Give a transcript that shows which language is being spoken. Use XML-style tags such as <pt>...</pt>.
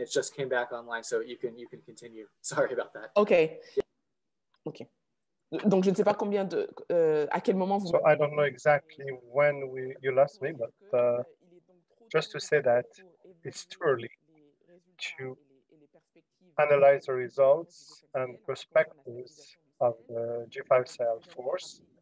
<en>It just came back online, so you can continue. Sorry about that. Okay. Yeah. Okay.</en> <fr>Donc je ne sais pas combien de à quel moment vous.</fr> <en>So I don't know exactly when you lost me, but just to say that it's too early to analyze the results and perspectives of the G5 Sahel force.</en>